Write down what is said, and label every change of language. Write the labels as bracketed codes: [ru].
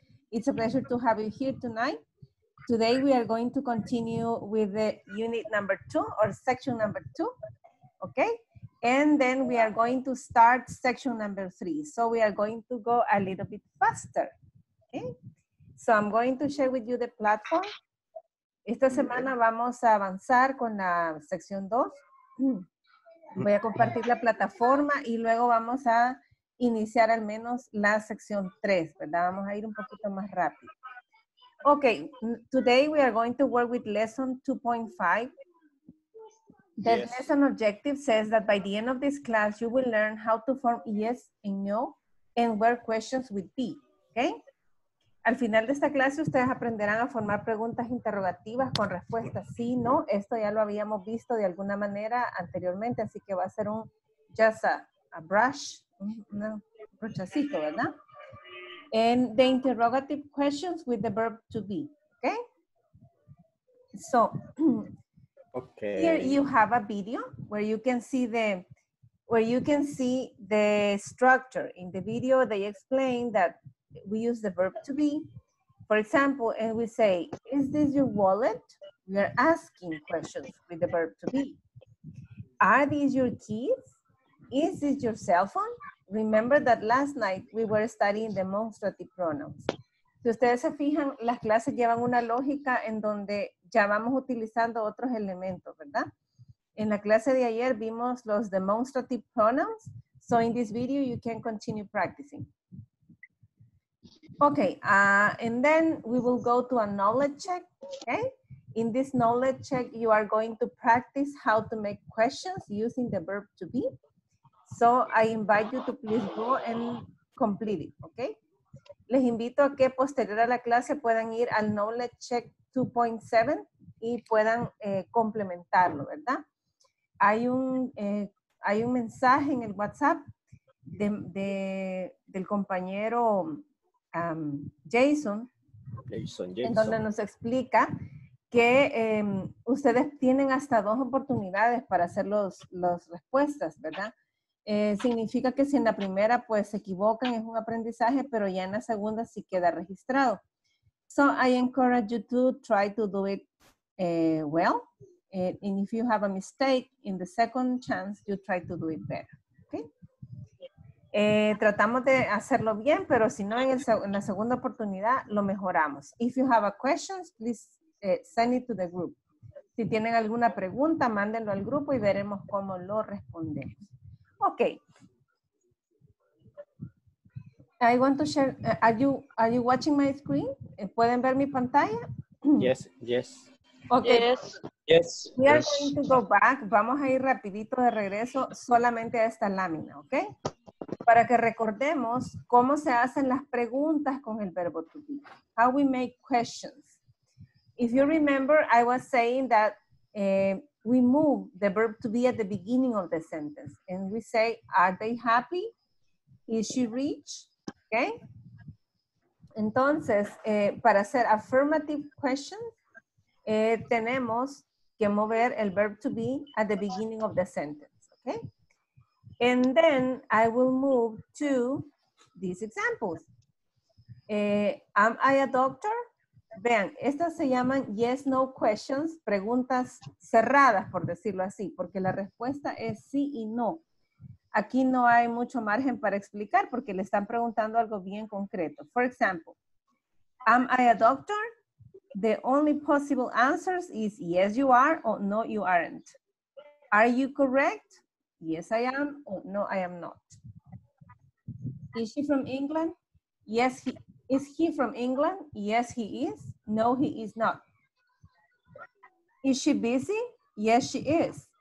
[en] It's a pleasure to have you here tonight. Today we are going to continue with the unit number two or section number two. Okay. And then we are going to start section number three. So we are going to go a little bit faster. Okay. So I'm going to share with you the platform. [es] Esta semana vamos a avanzar con la sección dos. Voy a compartir la plataforma y luego vamos a iniciar al menos la sección tres, ¿verdad? Vamos a ir un poquito más rápido. [en] Okay, today we are going to work with lesson 2.5. The yes. lesson objective says that by the end of this class, you will learn how to form yes and no and where questions would be, okay? [es] Al final de esta clase, ustedes aprenderán a formar preguntas interrogativas con respuestas sí, no. Esto ya lo habíamos visto de alguna manera anteriormente, así que va a ser un [en] just a brush, [es] un brochacito, ¿verdad? [en] And the interrogative questions with the verb to be, okay? So, okay. Here you have a video where you can see the structure. In the video, they explain that we use the verb to be. For example, and we say, is this your wallet? We are asking questions with the verb to be. Are these your keys? Is this your cell phone? Remember that last night we were studying demonstrative pronouns. [es] Si ustedes se fijan, las clases llevan una lógica en donde ya vamos utilizando otros elementos, ¿verdad? En la clase de ayer vimos los demonstrative pronouns. [en] So in this video, you can continue practicing. Okay, and then we will go to a knowledge check, okay? In this knowledge check, you are going to practice how to make questions using the verb to be. So I invite you to please go and complete it, okay? [es] Les invito a que posterior a la clase puedan ir al knowledge check 2.7 y puedan complementarlo, ¿verdad? Hay un mensaje en el WhatsApp del compañero Jason, en donde nos explica que ustedes tienen hasta dos oportunidades para hacer las respuestas, ¿verdad? Significa que si en la primera pues se equivocan, es un aprendizaje, pero ya en la segunda sí queda registrado. [en] So I encourage you to try to do it well. And if you have a mistake in the second chance, you try to do it better. Okay? [es] Tratamos de hacerlo bien, pero si no en la segunda oportunidad, lo mejoramos. [en] If you have a question, please send it to the group. [es] Si tienen alguna pregunta, mándenlo al grupo y veremos cómo lo respondemos. [en] Okay. I want to share. Are you watching my screen? [es] ¿Pueden ver mi pantalla? [en] Yes, yes. Okay. Yes. We are going to go back. [es] Vamos a ir rapidito de regreso solamente a esta lámina, okay? Para que recordemos cómo se hacen las preguntas con el verbo to be. [en] How we make questions. If you remember, I was saying that we move the verb to be at the beginning of the sentence. And we say, are they happy? Is she rich? Okay. [es] Entonces, para hacer [en] affirmative questions, [es] tenemos que mover el [en] verb to be at the beginning of the sentence. Okay. And then I will move to these examples. Am I a doctor? [es] Vean, estas se llaman yes, no questions, preguntas cerradas, por decirlo así, porque la respuesta es sí y no. Aquí no hay mucho margen para explicar porque le están preguntando algo bien concreto. [en] For example, am I a doctor? The only possible answers is yes, you are, or no, you aren't. Are you correct? Yes, I am, or no, I am not. Is she from England? Yes, Is he from England? Yes, he is. No, he is not. Is she busy? Yes, she is.